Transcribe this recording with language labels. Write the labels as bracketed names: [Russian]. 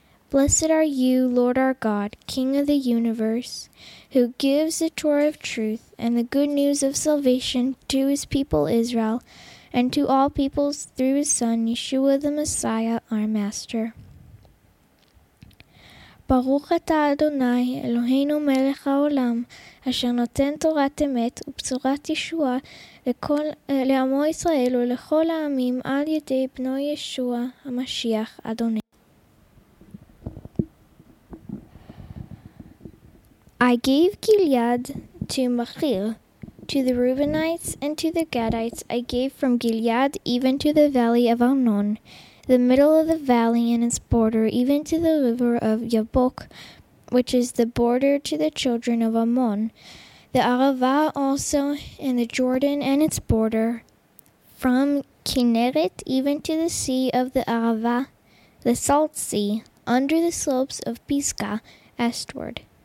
[English] Blessed are you, Lord our God, King of the universe, who gives the Torah of truth and the good news of salvation to His people Israel and to all peoples through His Son, Yeshua the Messiah, our Master. [Hebrew] ברוך אתה אדוני אלוהינו מלך העולם אשר נותן תורת אמת ובצורת ישוע לעמו ישראל ולכל העמים על ידי בנו ישוע המשיח אדוני. [English] I gave Gilead to Machir, to the Reubenites and to the Gadites. I gave from Gilead even to the valley of Arnon, the middle of the valley and its border, even to the river of Yabok, which is the border to the children of Ammon, the Arava also, and the Jordan and its border, from Kinneret even to the sea of the Arava, the Salt Sea, under the slopes of Pisgah, eastward.